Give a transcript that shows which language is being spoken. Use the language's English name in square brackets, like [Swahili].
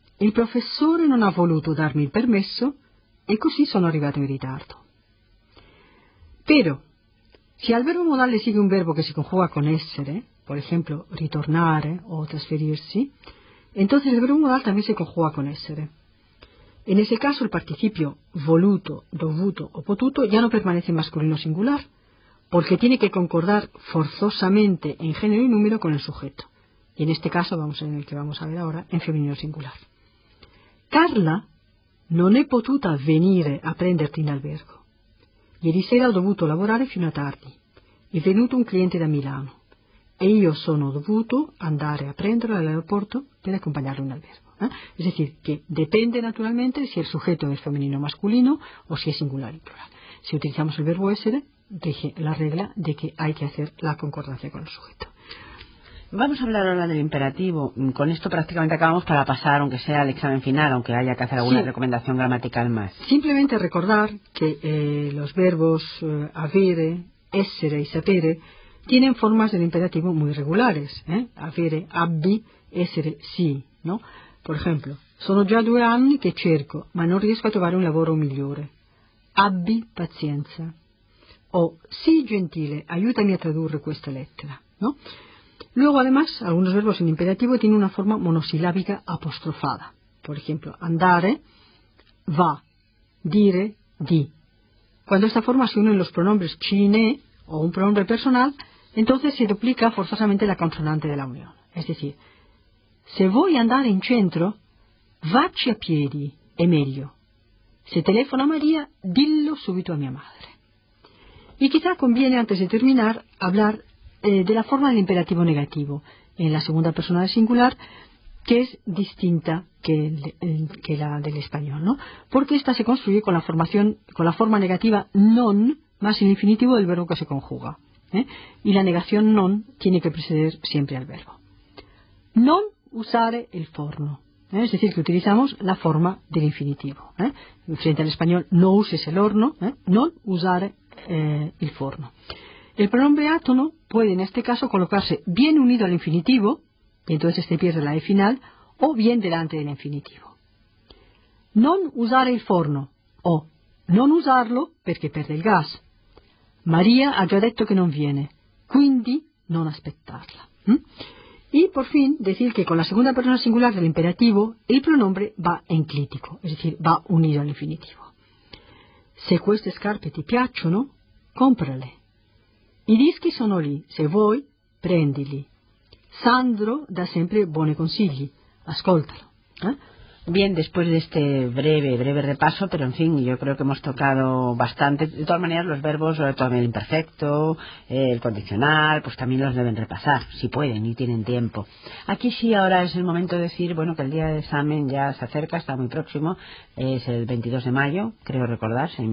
[Spanish] El profesor no ha voluto darme el permiso y [Italian] così sono arrivato in ritardo. [Spanish] Pero, si al verbo modal le sigue un verbo que se conjuga con essere, por ejemplo, ritornare o trasferirsi, entonces el verbo modal también se conjuga con essere. En ese caso, el participio voluto, dovuto o potuto ya no permanece en masculino singular, porque tiene que concordar forzosamente en género y número con el sujeto. Y en este caso, vamos en el que vamos a ver ahora, en femenino singular. [Italian] Carla non è potuta venire a prenderti in albergo. Ieri sera ho dovuto lavorare fino a tardi. È venuto un cliente da Milano. E io sono dovuto andare a prenderlo all'aeroporto per accompagnarlo in albergo. ¿Eh? [Spanish] Es decir, que depende naturalmente si el sujeto es femenino o masculino o si es singular y plural. Si utilizamos el verbo essere, rige la regla de que hay que hacer la concordancia con el sujeto. Vamos a hablar ahora del imperativo. Con esto prácticamente acabamos para pasar, aunque sea al examen final, aunque haya que hacer alguna recomendación gramatical más. Simplemente recordar que los verbos avere, essere y sapere tienen formas del imperativo muy regulares. [Italian] Avere, abbi, essere, sì, ¿no? [Spanish] Por ejemplo, [Italian] sono già due anni che cerco, ma non riesco a trovare un lavoro migliore. Abbi pazienza. O, sì, gentile, aiutami a tradurre questa lettera, ¿no? [Spanish] Luego, además, algunos verbos en imperativo tienen una forma monosilábica apostrofada. Por ejemplo, andare, va, dire, di. Cuando esta forma se une en los pronombres cine o un pronombre personal, entonces se duplica forzosamente la consonante de la unión. Es decir, [Italian] se vuoi andare in centro, vacci a piedi, è meglio. Se telefono a María, dillo subito a mia madre. [Spanish] Y quizá conviene, antes de terminar, hablar de la forma del imperativo negativo en la segunda persona del singular, que es distinta que la del español, ¿no? Porque esta se construye con la forma negativa non más el infinitivo del verbo que se conjuga. Y la negación non tiene que preceder siempre al verbo. [Italian] Non usare el forno. [Spanish] Es decir, que utilizamos la forma del infinitivo. Frente al español, no uses el horno, [Italian] non usare el forno. [Spanish] El pronombre átono puede en este caso colocarse bien unido al infinitivo, y entonces se pierde la E final, o bien delante del infinitivo. [Italian] Non usare il forno, o non usarlo perché perde il gas. María ha già detto che non viene, quindi non aspettarla. [Spanish] Y por fin decir que con la segunda persona singular del imperativo el pronombre va enclítico, es decir, va unido al infinitivo. [Italian] Se queste scarpe ti piacciono, comprale. I dischi sono lì, se vuoi, prendili. Sandro da sempre buoni consigli, ascoltalo. [Spanish] Bien, después de este breve repaso, pero en fin, yo creo que hemos tocado bastante. De todas maneras, los verbos, sobre todo el imperfecto, el condicional, pues también los deben repasar, si pueden y tienen tiempo. Aquí sí, ahora es el momento de decir, bueno, que el día de examen ya se acerca, está muy próximo, es el 22 de mayo, creo recordar.